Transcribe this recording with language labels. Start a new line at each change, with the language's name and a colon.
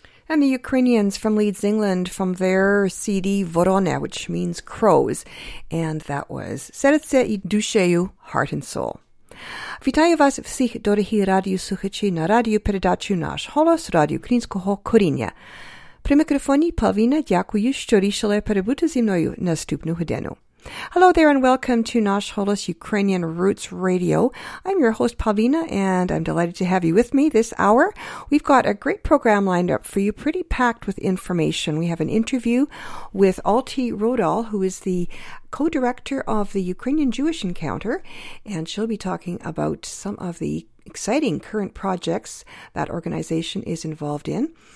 English: And the Ukrainians from Leeds, England, from their CD Vorone, which means crows. And that was Serce I Dusheyu, Heart and Soul.
Ukrainian: Вітаю вас всіх, дорогі радіослухачі, на радіопередачі «Наш голос» Радіо Українського коріння. При мікрофоні Павіна, дякую, що рішили перебути зі мною наступну годину.
English: Hello there and welcome to Nash Holos Ukrainian Roots Radio. I'm your host Pavlina and I'm delighted to have you with me this hour. We've got a great program lined up for you, pretty packed with information. We have an interview with Alti Rodal, who is the co-director of the Ukrainian Jewish Encounter, and she'll be talking about some of the exciting current projects that organization is involved in.